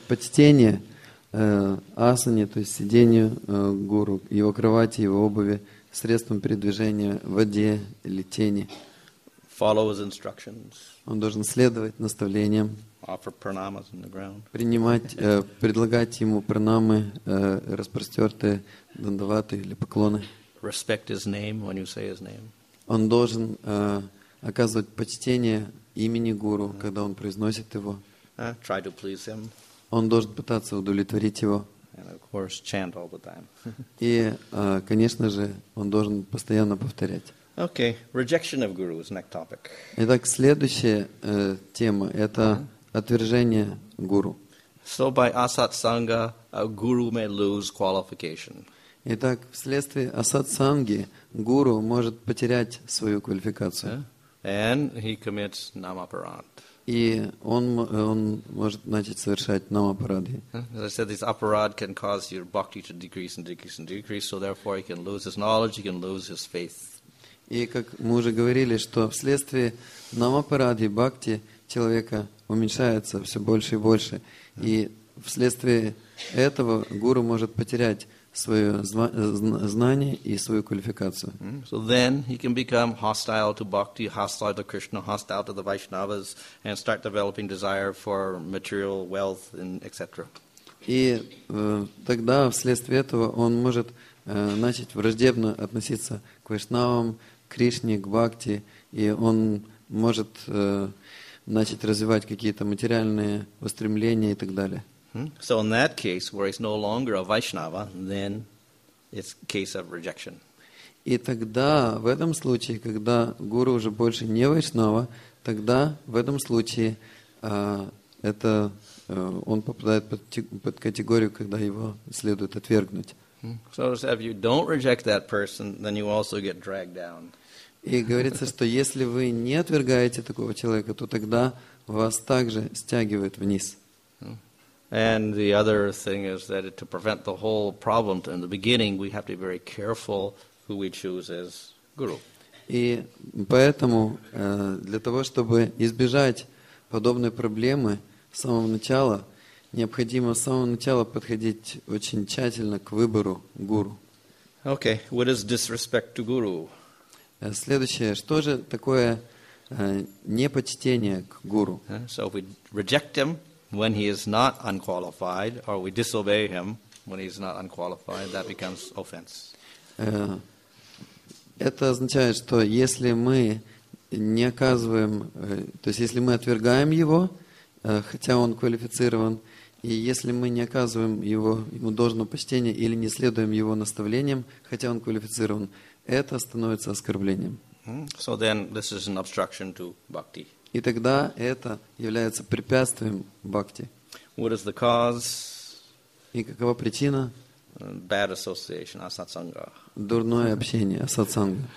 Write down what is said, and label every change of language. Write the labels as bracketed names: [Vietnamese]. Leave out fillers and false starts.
[Russian] почтение асане, то есть сидению гуру, его кровати, его обуви, средством передвижения, воде или тени. [English] Follow his instructions. [Russian] Он должен следовать наставлениям. [English] Offer pranamas on the ground. [Russian] Принимать, предлагать ему пранамы, распростертые, дандаваты или поклоны. [English] Respect his name when you say his name. [Russian] Он должен оказывать почтение имени гуру, когда он произносит его. [English] Try to please him. [Russian] Он должен пытаться удовлетворить его. [English] And of course, chant all the time. [Russian] И, конечно же, он должен постоянно повторять. [English] Okay, rejection of guru is next topic. [Russian] Итак, следующая тема – это отвержение гуру. [English] So by asat sangha, a guru may lose qualification. [Russian] Итак, вследствие асат санги гуру может потерять свою квалификацию. [English] And he commits namaparad. [Russian] И он может начать совершать намапарады. [English] As I said, this aparad can cause your bhakti to decrease and decrease and decrease. So therefore, he can lose his knowledge, he can lose his faith. [Russian] И как мы уже говорили, что вследствие намапарады бхакти человека уменьшается все больше и больше. И вследствие этого гуру может потерять свое знание и свою квалификацию. [English] So then he can become hostile to bhakti, hostile to Krishna, hostile to the Vaishnavas, and start developing desire for material wealth, and etc. [Russian] И тогда вследствие этого он может начать враждебно относиться к вайшнавам, Кришне, к бхакти, и он может начать развивать какие-то материальные устремления и так далее. [English] So in that case, where he's no longer a Vaishnava, then it's a case of rejection. [Russian] И тогда, в этом случае, когда гуру уже больше не Вайшнава, тогда, в этом случае, это он попадает под категорию, когда его следует отвергнуть. [English] So if you don't reject that person, then you also get dragged down. [Russian] И говорится, что если вы не отвергаете такого человека, то тогда вас также стягивает вниз. [English] And the other thing is that to prevent the whole problem in the beginning, we have to be very careful who we choose as guru. [Russian] И поэтому для того, чтобы избежать подобной проблемы с самого начала, необходимо с самого начала подходить очень тщательно к выбору гуру. [English] Okay, what is disrespect to guru? [Russian] Следующее, что же такое непочтение к гуру? [English] So if we reject him when he is not unqualified, or we disobey him when he is not unqualified, that becomes offense. [Russian] Это означает, что если мы не оказываем, то есть если мы отвергаем его, хотя он квалифицирован, и если мы не оказываем ему должного почтения или не следуем его наставлениям, хотя он квалифицирован, это становится оскорблением. [English] So then this is an obstruction to bhakti. [Russian] И тогда это является препятствием бхакти. [English] What is the cause? [Russian] И какова причина? [English] Bad association, asatsanga. [Russian] Дурное общение, асатсанга.